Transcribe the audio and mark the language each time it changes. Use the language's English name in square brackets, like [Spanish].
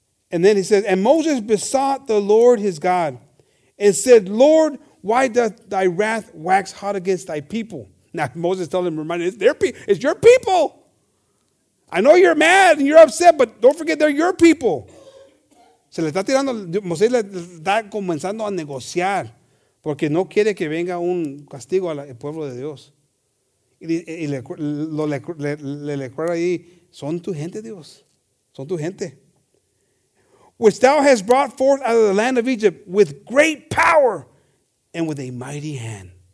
[English] And then he says, and Moses besought the Lord his God and said, Lord, why doth thy wrath wax hot against thy people? Now, Moses told him, remind him, it's your people. I know you're mad and you're upset, but don't forget they're your people. [Spanish] Se le está tirando, Moisés le está comenzando a negociar porque no quiere que venga un castigo al pueblo de Dios. Y le recuerda ahí, son tu gente, Dios. Son tu gente. [English] Which thou hast brought forth out of the land of Egypt with great power and with a mighty hand.